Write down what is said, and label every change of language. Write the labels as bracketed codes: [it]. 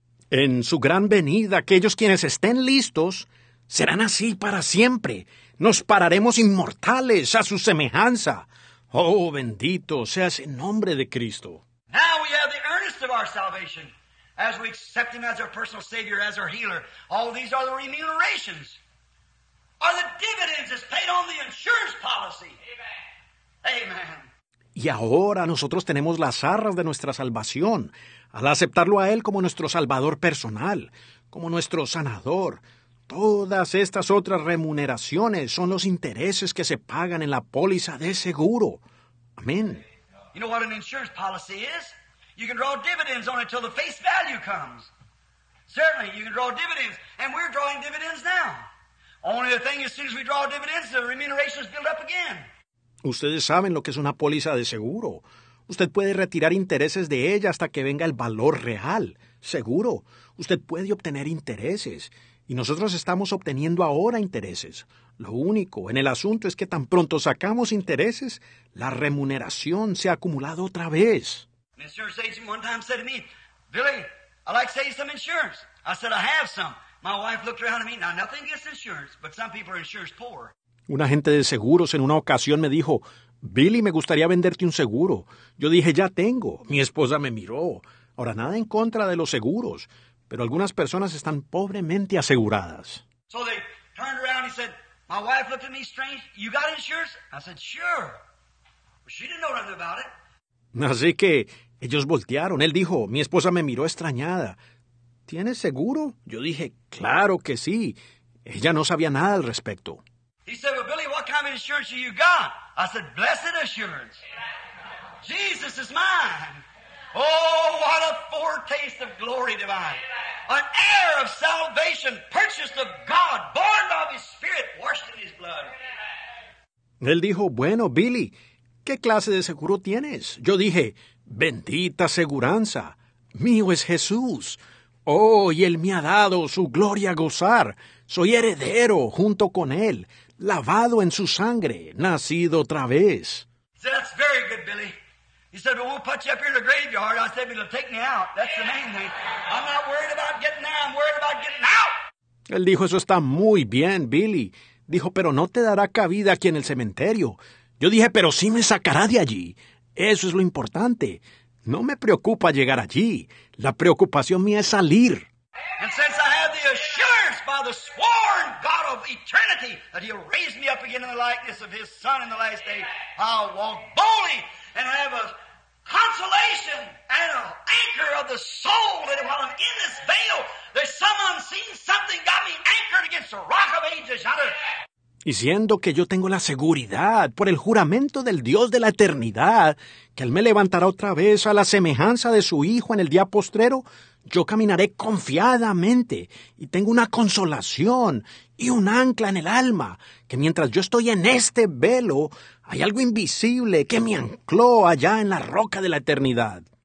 [es] En su gran venida, aquellos quienes estén listos serán así para siempre. Nos pararemos inmortales a su semejanza. Oh, bendito sea ese nombre de Cristo. [en] Now we have the earnest of our salvation as we accept Him as our personal Savior, as our healer. All these are the remunerations, are the dividends that's paid on the insurance policy. Amen. Amen. [es] Y ahora nosotros tenemos las arras de nuestra salvación al aceptarlo a Él como nuestro salvador personal, como nuestro sanador. Todas estas otras remuneraciones son los intereses que se pagan en la póliza de seguro. Amén. [en] You know what an insurance policy is? You can draw dividends on it till the face value comes. Certainly, you can draw dividends. And we're drawing dividends now. Only the thing, as soon as we draw dividends, the remuneration is built up again. [es] Ustedes saben lo que es una póliza de seguro. Usted puede retirar intereses de ella hasta que venga el valor real. Seguro. Usted puede obtener intereses. Y nosotros estamos obteniendo ahora intereses. Lo único en el asunto es que tan pronto sacamos intereses, la remuneración se ha acumulado otra vez. [en] An insurance agent one time said to me, Billy, I'd like to sell you some insurance. I said, I have some. My wife looked around at me. Now, nothing against insurance, but some people are insurance poor. [es] Un agente de seguros en una ocasión me dijo, Billy, me gustaría venderte un seguro. Yo dije, ya tengo. Mi esposa me miró. Ahora, nada en contra de los seguros, pero algunas personas están pobremente aseguradas. [en] So they turned around and said, my wife looked at me strange. You got insurance? I said, sure. Well, she didn't know nothing about it. [es] Así que ellos voltearon. Él dijo, mi esposa me miró extrañada. ¿Tienes seguro? Yo dije, claro que sí. Ella no sabía nada al respecto. [en] He said, well, Billy, what kind of insurance do you got? I said, blessed assurance. Jesus is mine. Oh, what a foretaste of glory divine. An heir of salvation, purchased of God, born of His Spirit, washed in His blood. [es] Él dijo, bueno, Billy, ¿qué clase de seguro tienes? Yo dije, bendita seguranza, mío es Jesús. Oh, y Él me ha dado su gloria a gozar. Soy heredero junto con Él, lavado en su sangre, nacido otra vez. [en] So that's very good, Billy. He said, well, we'll put you up here in the graveyard. I said, it'll take me out. That's the main thing. I'm not worried about getting there. I'm worried about getting out. [es] Él dijo, eso está muy bien, Billy. Dijo, pero no te dará cabida aquí en el cementerio. Yo dije, pero sí me sacará de allí. Eso es lo importante. No me preocupa llegar allí. La preocupación mía es salir. [en] And since I have the assurance by the sworn God of eternity that He'll raise me up again in the likeness of His Son in the last day, I'll walk boldly. And I have a consolation and an anchor of the soul that while I'm in this veil, there's some unseen something got me anchored against the rock of ages. [es] Y siendo que yo tengo la seguridad por el juramento del Dios de la eternidad, que Él me levantará otra vez a la semejanza de su Hijo en el día postrero, yo caminaré confiadamente y tengo una consolación y un ancla en el alma, que mientras yo estoy en este velo, hay algo invisible que me ancló allá en la roca de la eternidad.